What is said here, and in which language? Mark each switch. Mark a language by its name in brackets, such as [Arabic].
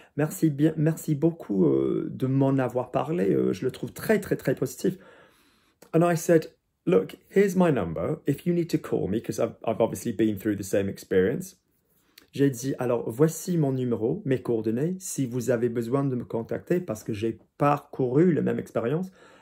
[French] Merci bien, merci beaucoup de m'en avoir parlé. Je le trouve très, très, très positif. [English] And I said, look, here's my number. If you need to call me, because I've obviously been through the same experience. [French] J'ai dit, alors voici mon numéro, mes coordonnées, si vous avez besoin de me contacter, parce que j'ai parcouru la même expérience.